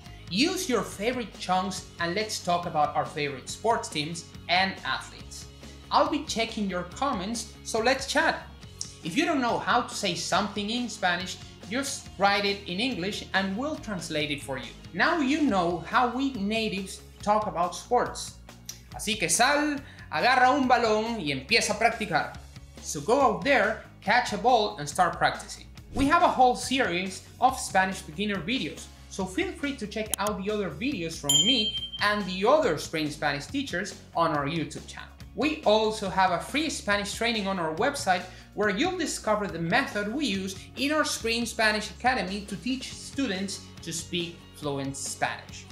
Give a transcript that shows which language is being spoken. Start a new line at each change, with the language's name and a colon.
English: Use your favorite chunks and let's talk about our favorite sports teams and athletes. I'll be checking your comments, so let's chat. If you don't know how to say something in Spanish, just write it in English and we'll translate it for you. Now you know how we natives talk about sports.
Spanish: Así que sal, agarra un balón y empieza a practicar.
English: So go out there, catch a ball and start practicing. We have a whole series of Spanish beginner videos, so feel free to check out the other videos from me and the other spring Spanish teachers on our YouTube channel. We also have a free Spanish training on our website where you'll discover the method we use in our spring Spanish Academy to teach students to speak fluent Spanish.